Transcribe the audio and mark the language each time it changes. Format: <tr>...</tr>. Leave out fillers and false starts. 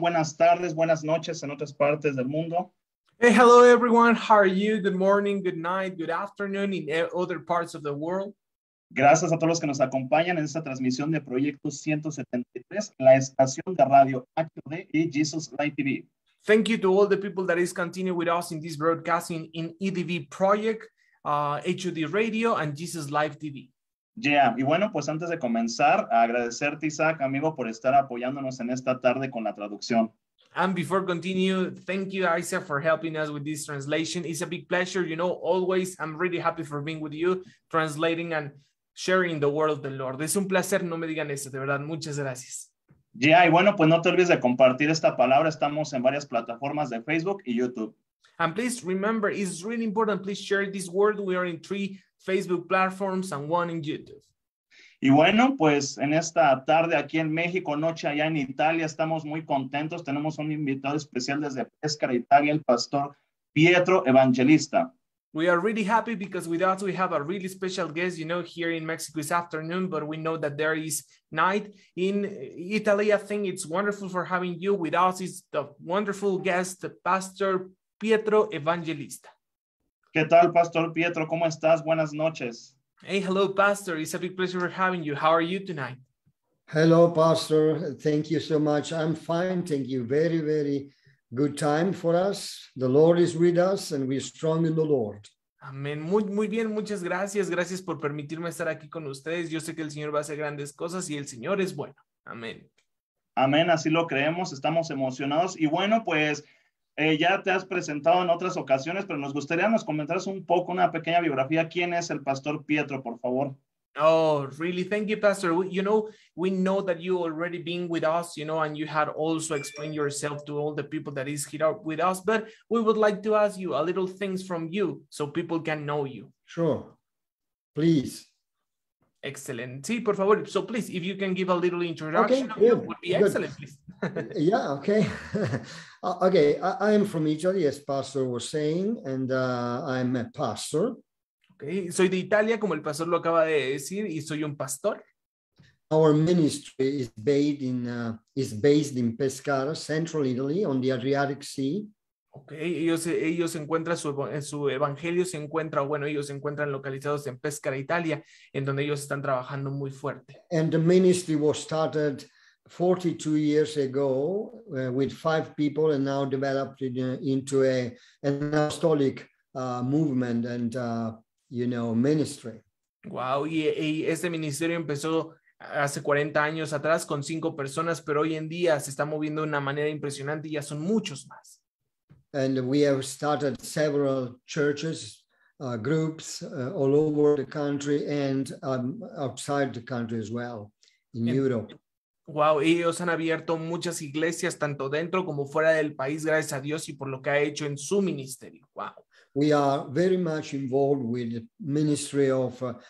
<es>Buenas tardes, buenas noches en otras partes del mundo.</es> <en>Hey, hello everyone. How are you? Good morning, good night, good afternoon in other parts of the world.</en> <es>Gracias a todos los que nos acompañan en esta transmisión de Proyecto 173, la estación de radio HD y Jesus Light TV.</es> <en>Thank you to all the people that is continuing with us in this broadcasting in EDV Project, HD Radio and Jesus Light TV.</en> <es>Yeah, y bueno, pues antes de comenzar, agradecerte, Isaac, amigo, por estar apoyándonos en esta tarde con la traducción.</es> <en>And before continue, thank you, Isaac, for helping us with this translation. It's a big pleasure, you know, always. I'm really happy for being with you, translating and sharing the word of the Lord.</en> <es>Es un placer, no me digan eso, de verdad, muchas gracias. Yeah, y bueno, pues no te olvides de compartir esta palabra. Estamos en varias plataformas de Facebook y YouTube.</es> <en>And please remember, it's really important, please share this word. We are in 3 Facebook platforms and 1 in YouTube.</en> <es>Y bueno, pues en esta tarde aquí en México, noche allá en Italia, estamos muy contentos. Tenemos un invitado especial desde Pescara, Italia, el pastor Pietro, evangelista.</es> <en>We are really happy because with us we have a really special guest, you know, here in Mexico this afternoon, but we know that there is night in Italy. I think it's wonderful for having you. With us is the wonderful guest, Pastor Pietro, evangelista. ¿Qué tal, Pastor Pietro? ¿Cómo estás? Buenas noches. Hey, hello, Pastor. It's a big pleasure for having you. How are you tonight? Hello, Pastor. Thank you so much. I'm fine. Thank you. Very, very good time for us. The Lord is with us and we're strong in the Lord.</en> <es>Amén. Muy, muy bien. Muchas gracias. Gracias por permitirme estar aquí con ustedes. Yo sé que el Señor va a hacer grandes cosas y el Señor es bueno. Amén. Amén. Así lo creemos. Estamos emocionados. Y bueno, pues ya te has presentado en otras ocasiones, pero nos gustaría nos comentaras un poco, una pequeña biografía. ¿Quién es el Pastor Pietro, por favor?</es> <en>Oh, really? Thank you, Pastor. You know, we know that you already been with us, you know, and you had also explained yourself to all the people that is here with us, but we would like to ask you a little things from you so people can know you. Sure. Please.</en> <es>Excellent. Sí, por favor.</es> <en>So please, if you can give a little introduction, okay, yeah, it would be good. Excellent, please. Yeah, okay. Okay, I am from Italy, as Pastor was saying, and I'm a pastor.</en> <es>Okay, soy de Italia, como el pastor lo acaba de decir, y soy un pastor.</es> <en>Our ministry is based in Pescara, central Italy, on the Adriatic Sea.</en> <es>Okay, ellos encuentran su evangelio, se encuentra, bueno, ellos se encuentran localizados en Pescara, Italia, en donde ellos están trabajando muy fuerte.</es> <en>And the ministry was started 42 years ago with 5 people and now developed into an apostolic movement and, you know, ministry.</en> <es>Wow, y este ministerio empezó hace 40 años atrás con 5 personas, pero hoy en día se está moviendo de una manera impresionante y ya son muchos más.</es> <en>And we have started several churches, groups all over the country and outside the country as well, in Europe.</en> <es>Wow, ellos han abierto muchas iglesias, tanto dentro como fuera del país, gracias a Dios y por lo que ha hecho en su ministerio. Wow.</es> <en>We are very much involved with the ministry of</en>